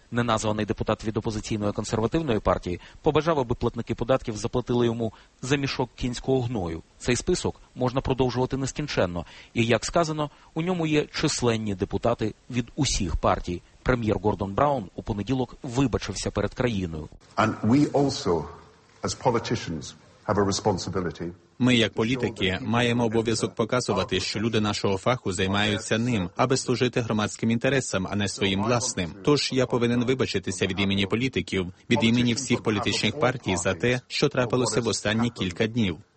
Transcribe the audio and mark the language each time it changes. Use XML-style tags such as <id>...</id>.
<uk>Неназваний депутат від опозиційної консервативної партії побажав, аби платники податків заплатили йому за мішок кінського гною. Цей список можна продовжувати нескінченно. І, як сказано, у ньому є численні депутати від усіх партій. Прем'єр Гордон Браун у понеділок вибачився перед країною.</uk> <en>And we also, as politicians, have a responsibility.</en> <uk>Ми, як політики, маємо обов'язок показувати, що люди нашого фаху займаються ним, аби служити громадським інтересам, а не своїм власним. Тож я повинен вибачитися від імені політиків, від імені всіх політичних партій за те, що трапилося в останні кілька днів.</uk>